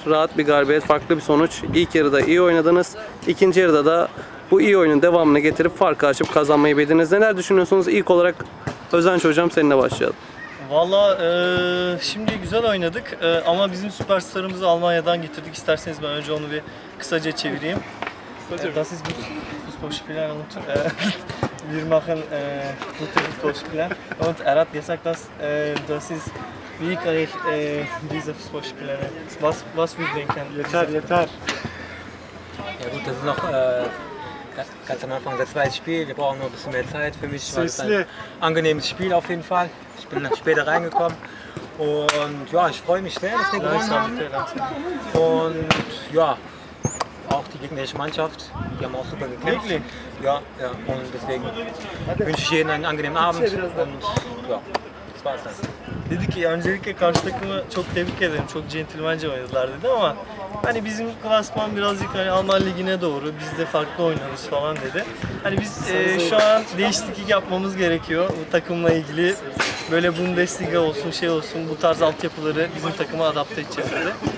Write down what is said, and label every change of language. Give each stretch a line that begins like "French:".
Turkish: Rahat bir galibiyet, farklı bir sonuç. İlk yarıda iyi oynadınız. İkinci yarıda da bu iyi oyunun devamını getirip farkı açıp kazanmayı bildiniz. Neler düşünüyorsunuz? İlk olarak Özenç hocam seninle başlayalım. Vallahi şimdi güzel oynadık ama bizim süperstarımızı Almanya'dan getirdik. İsterseniz ben önce onu bir kısaca çevireyim.
German: Das ist Fußballspieler und wir machen gute Fußballspieler und er hat gesagt, dass das ist wie kann ich diese Fußballspieler was wir denken.
Turkish: Yeter.
German: Ja gut, das ist noch ganz am Anfang das zweite Spiel. Wir brauchen noch ein bisschen mehr Zeit. Für mich war es ein angenehmes Spiel auf jeden Fall. Ich bin später reingekommen. Und ja, ich freue mich sehr, dass wir gewonnen haben. Und ja, auch die gegnerische Mannschaft, die haben auch super gekämpft. Wirklich? Ja, ja. Und deswegen wünsche ich jedem einen angenehmen Abend. Und ja, das war's dann.
Turkish: Dedi ki öncelikle karşı takımı çok tebrik ederim, çok centilmence oynadılar dedi ama hani bizim klasman birazcık hani Alman ligine doğru, biz de farklı oynuyoruz falan dedi. Hani biz şu an değişiklik yapmamız gerekiyor bu takımla ilgili. Böyle Bundesliga olsun, şey olsun, bu tarz altyapıları bizim takıma adapte edeceğiz dedi.